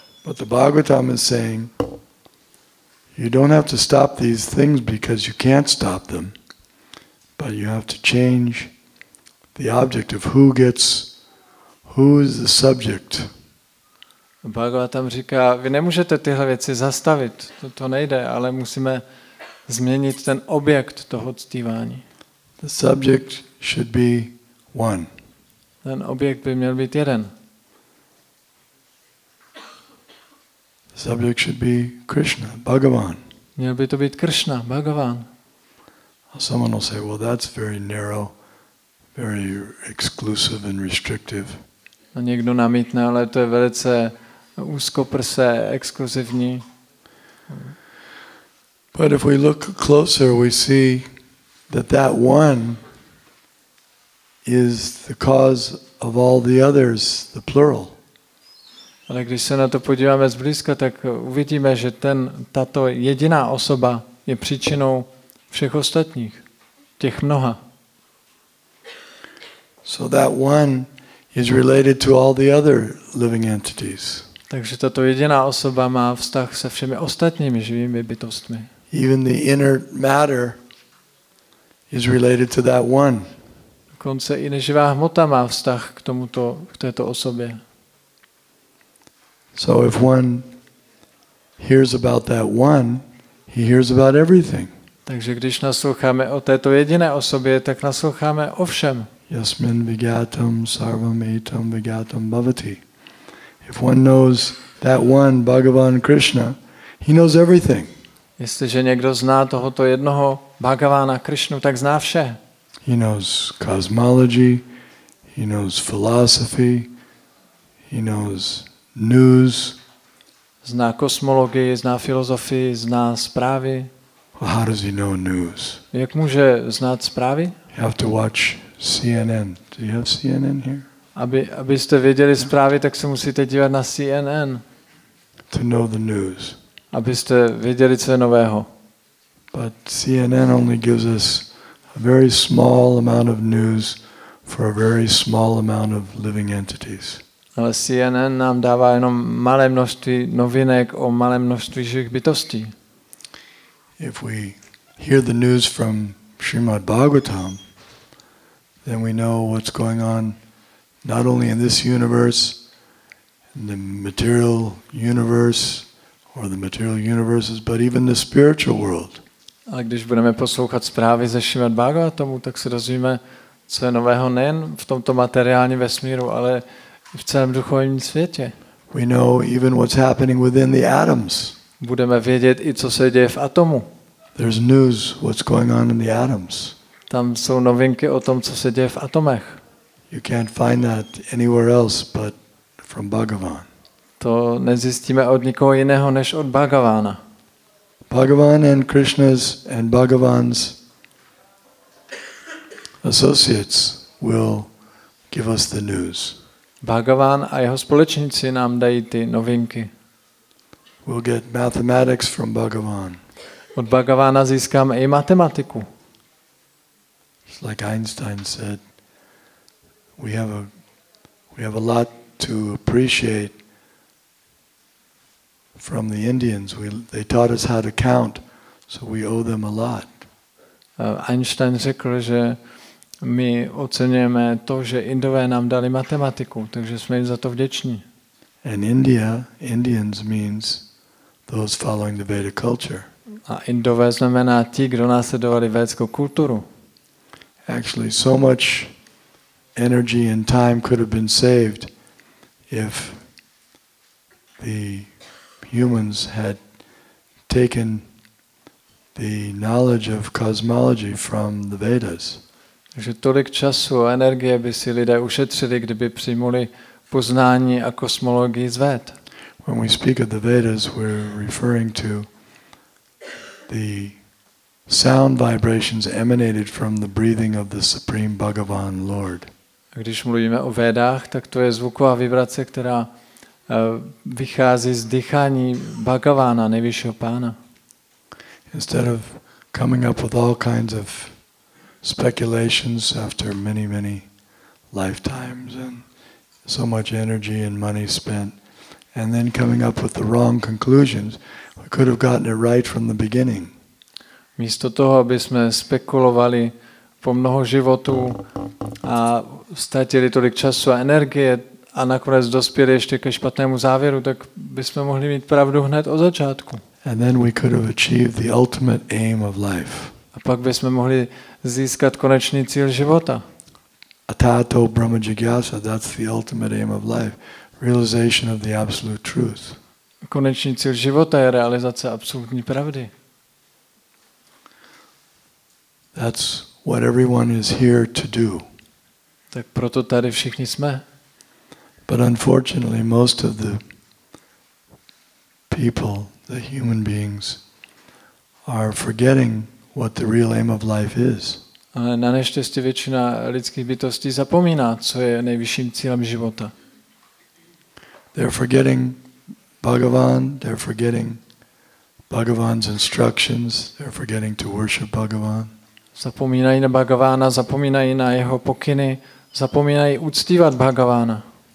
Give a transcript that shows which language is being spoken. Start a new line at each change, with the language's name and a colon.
English: But the Bhagavatam is saying, you don't have to stop these things because you can't stop them, but you have to change the object of who is the subject.
Czech: Bhagavatam říká, vy nemůžete tyhle věci zastavit, to nejde, ale musíme změnit ten objekt toho uctívání.
English: The subject should be one.
Czech: Ten objekt by měl být jeden.
English: The subject should be Krishna, Bhagavan.
Czech: Měl by to být Krishna, Bhagavan.
English: Someone will say, well, that's very narrow, very exclusive and restrictive.
Czech: A někdo namítne, ale to je velice úzkoprse, exkluzivní.
English: But if we look closer, we see that one is the cause of all the others, the plural.
Czech: Ale když se na to podíváme zblízka, tak uvidíme, že tato jediná osoba je příčinou všech ostatních, těch mnoha.
English: So that one is related to all the other living entities.
Czech: Takže tato jediná osoba má vztah se všemi ostatními živými bytostmi.
English: Even the inert matter is related to that one.
Czech: Dokonce i neživá hmota má vztah k této osobě.
English: So if one hears about that one, he hears about everything.
Czech: Takže když nasloucháme o této jediné osobě, tak nasloucháme o všem.
Sanskrit: Yasmin vigatam sarvam etam vigatam bhavati.
English: If one knows that one, Bhagavan Krishna, he knows everything.
Czech: Jestliže někdo zná tohoto jednoho Bhagavana Krishnu, tak zná vše.
English: He knows cosmology, he knows philosophy, he knows news.
Czech: Zná kosmologii, zná filozofii, zná zprávy.
English: How does he know news?
Czech: Jak může znát zprávy?
English: You have to watch CNN. Do you have CNN here?
Czech: Abyste věděli zprávy, tak se musíte dívat na CNN.
English: To know the news.
Czech: Abyste věděli, co je nového.
English: But CNN only gives us a very small amount of news for a very small amount of living entities.
Czech: Ale CNN nám dává jenom malé množství novinek o malé množství živých bytostí.
English: If we hear the news from Srimad Bhagavatam, then we know what's going on not only in this universe, in the material universe, or the material universes, but even the spiritual world.
Czech: A když budeme poslouchat zprávy ze Srimad Bhagavatamu, tak se dozvíme, co je nového nejen v tomto materiálním vesmíru, ale v celém duchovním světě.
English: We know even what's happening within the atoms.
Czech: Budeme vědět i, co se děje v atomu.
English: There's news what's going on in the atoms.
Czech: Tam jsou novinky o tom, co se děje v atomech.
English: You can't find that anywhere else but from Bhagavan.
Czech: To nezjistíme od nikoho jiného než od Bhagavana.
English: Bhagavan and Krishna's and Bhagavan's associates will give us the news.
Czech: Bhagavan a jeho společníci nám dají ty novinky.
English: We'll get mathematics from Bhagavan.
Czech: Od Bhagavana získáme i matematiku.
English: It's like Einstein said, we have a lot to appreciate from the Indians. They taught us how to count, so we owe them a lot.
Czech: Einstein řekl, že my oceňujeme to, že Indové nám dali matematiku, takže jsme jim za to vděční.
English: And India, Indians means those following the Vedic culture.
Czech: A Indové znamená ti, kdo následovali védskou kulturu.
English: Actually, so much energy and time could have been saved if the humans had taken the knowledge of cosmology from the Vedas.
Czech: Že tolik času a energie by si lidé ušetřili, kdyby přijmuli poznání a kosmologii z Véd.
English: When we speak of the Vedas, we're referring to the sound vibrations emanated from the breathing of the Supreme Bhagavan Lord.
Czech: A když mluvíme o Vedách, tak to je zvuková vibrace, která vychází z dýchání Bhagavana, nejvyššího pána.
English: Instead of coming up with all kinds of speculations after many, many lifetimes and so much energy and money spent, and then coming up with the wrong conclusions, we could have gotten it right from the beginning.
Czech: Místo toho, aby jsme spekulovali po mnoho životů a ztratili tolik času a energie a nakonec dospěli ještě ke špatnému závěru, tak bychom mohli mít pravdu hned od začátku.
English: And then we could have achieved the ultimate aim of life.
Czech: A pak bychom mohli získat konečný cíl života.
Sanskrit: Atato Brahma Jigyasa,
English: that's the ultimate aim of life. Realization of the absolute truth.
Czech: Konečný cíl života je realizace absolutní pravdy.
English: That's what everyone is here to do.
Czech: Tak proto tady všichni jsme.
English: But unfortunately, most of the people, the human beings, are forgetting what the real aim of life is.
Czech: Ale na neštěstí většina lidských bytostí zapomíná, co je nejvyšším cílem života.
English: They're forgetting Bhagavan, they're forgetting Bhagavan's instructions, they're forgetting to worship Bhagavan.
Czech: Zapomínají na Bhagavana, zapomínají na jeho pokyny, zapomínají uctívat Bhagavana.